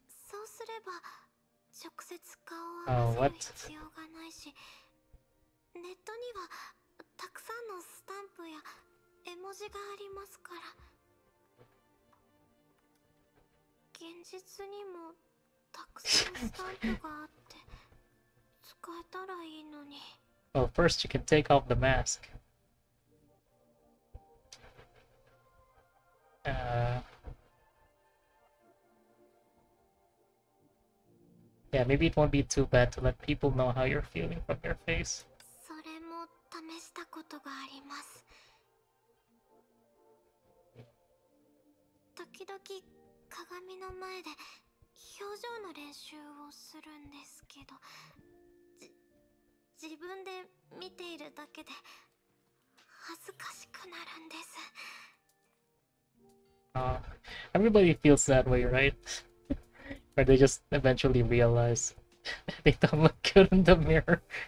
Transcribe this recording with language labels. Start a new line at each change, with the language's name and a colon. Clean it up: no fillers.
Japanese: そうすれば、直接顔を合わせる必要がないし、ネットにはたくさんのスタンプや絵文字がありますから。現実にもたくさんスタンプがあって使えたらいいのに。
English: Well, first you can take off the mask. Yeah, maybe it won't be too bad to let people know how you're feeling from your face.
Japanese: それも試したことがあります。時々鏡の前で表情の練習をするんですけど、自分で見ているだけで恥ずかしくなるんです。
English: Everybody feels that way, right? Or they just eventually realize they don't look good in the mirror.